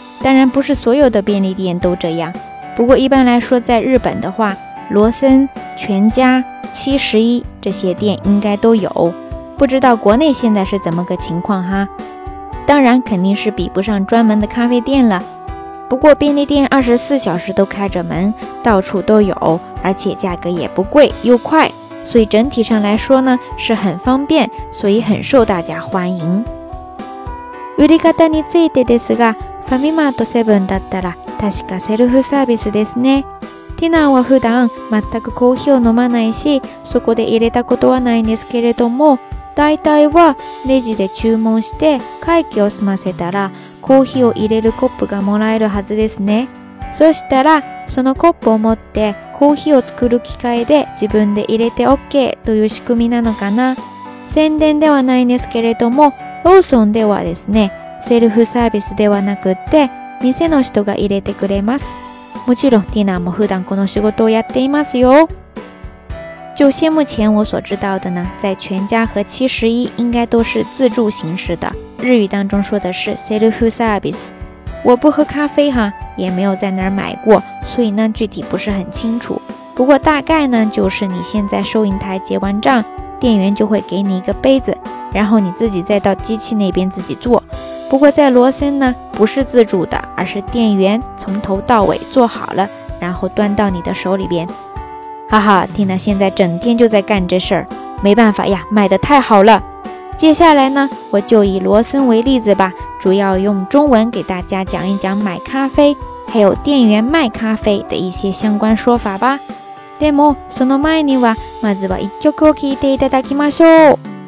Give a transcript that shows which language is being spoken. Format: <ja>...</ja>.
<zh>当然不是所有的便利店都这样，不过一般来说在日本的话，罗森、全家、7-11这些店应该都有，不知道国内现在是怎么个情况哈。当然肯定是比不上专门的咖啡店了，不过便利店24小时都开着门，到处都有，而且价格也不贵又快，所以整体上来说呢是很方便，所以很受大家欢迎。</zh> <ja>売り方についてですが、ファミマとセブンだったら確かセルフサービスですね。ティナは普段全くコーヒーを飲まないし、そこで入れたことはないんですけれども、大体はレジで注文して会計を済ませたらコーヒーを入れるコップがもらえるはずですね。そしたらそのコップを持ってコーヒーを作る機械で自分で入れて OK という仕組みなのかな。宣伝ではないんですけれども、ローソンではですね、セルフサービスではなくって店の人が入れてくれます。もちろんティナも普段この仕事をやっていますよ。</ja> <zh>就先目前我所知道的呢，在全家和7-11应该都是自助形式的，日语当中说的是 self service。我不喝咖啡哈，也没有在那儿买过，所以呢具体不是很清楚。不过大概呢就是你先在收银台结完账，店员就会给你一个杯子，然后你自己再到机器那边自己做。不过在罗森呢不是自助的，而是店员从头到尾做好了，然后端到你的手里边。哈哈，听到现在整天就在干这事儿，没办法呀，卖得太好了。接下来呢，我就以罗森为例子吧，主要用中文给大家讲一讲买咖啡，还有店员卖咖啡的一些相关说法吧。</zh> <ja>でもその前にはまずは一曲を聞いていただきましょう。</ja>